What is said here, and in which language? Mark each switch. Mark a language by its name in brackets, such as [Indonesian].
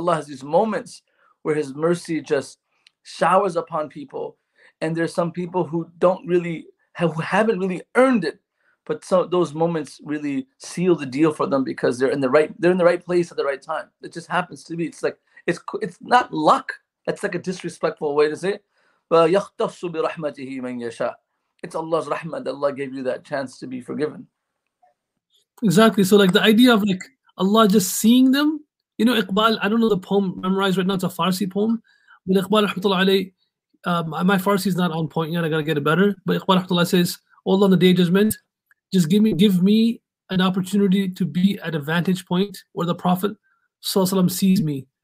[English] Allah has these moments where His mercy just showers upon people, and there's some people who don't really have, who haven't really earned it, but so those moments really seal the deal for them because they're in the right place at the right time. It just happens to be. It's not luck. It's like a disrespectful way to say it. But [Arabic] يَخْتَصُ بِرَحْمَتِهِ مَنْ يَشَاءُ. [English] It's Allah's rahmah that Allah gave you that chance to be forgiven. Exactly. So like the idea of like Allah just seeing them, you know, Iqbal, I don't know the poem memorized right now, it's a Farsi poem. But Iqbal rahmatullah alayhi, my Farsi is not on point yet, I gotta get it better. But Iqbal rahmatullah says, Allah on the day of judgment, just give me an opportunity to be at a vantage point where the Prophet sallallahu alayhi wa sallam sees me.